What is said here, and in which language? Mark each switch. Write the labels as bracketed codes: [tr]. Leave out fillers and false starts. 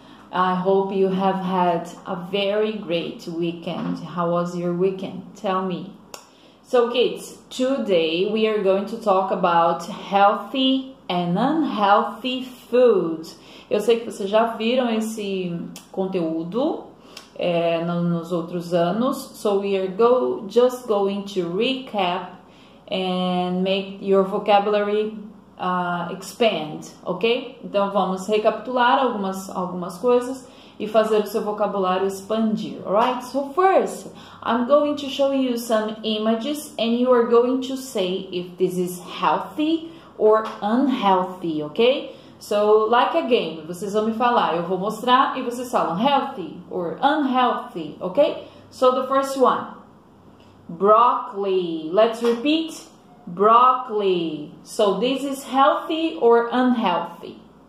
[en] I hope you have had a very great weekend. How was your weekend? Tell me. So, kids, today we are going to talk about healthy and unhealthy foods. [pt] Eu sei que vocês já viram esse conteúdo nos outros anos. [en] So, we are just going to recap and make your vocabulary expand, ok? [pt] Então vamos recapitular algumas coisas e fazer o seu vocabulário expandir, alright? [en] So first, I'm going to show you some images and you are going to say if this is healthy or unhealthy, ok? So, like a game, [pt] vocês vão me falar, eu vou mostrar e vocês falam healthy or unhealthy, ok? [en] So the first one, broccoli, let's repeat. Broccoli. So this is healthy or unhealthy?